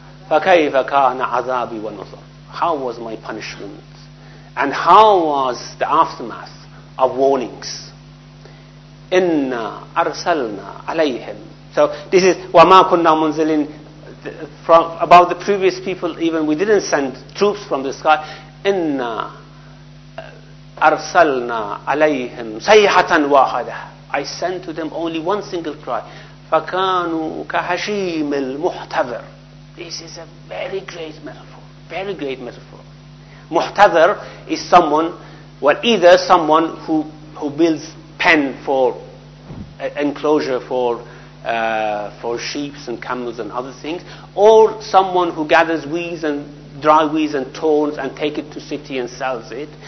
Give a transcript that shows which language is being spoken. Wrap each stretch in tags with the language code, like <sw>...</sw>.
<ar>فكيف كان عذابي ونظر.</ar> <en>How was my punishment? And how was the aftermath of warnings?</en> <ar>إنا أرسلنا عليهم.</ar> <en>So this is</en> <ar>وما كنا منزلين.</ar> <en>From about the previous people, even we didn't send troops from the sky.</en> <ar>إنا أرسلنا عليهم صيحة واحدة.</ar> <en>I sent to them only one single cry.</en> <ar>فَكَانُوا كَهَشِيمِ الْمُحْتَذَرِ.</ar> <en>This is a very great metaphor. Very great metaphor. Muhtadhar is someone, well, either someone who builds pen for enclosure for sheep and camels and other things, or someone who gathers weeds and dry weeds and thorns and take it to city and sells it.</en>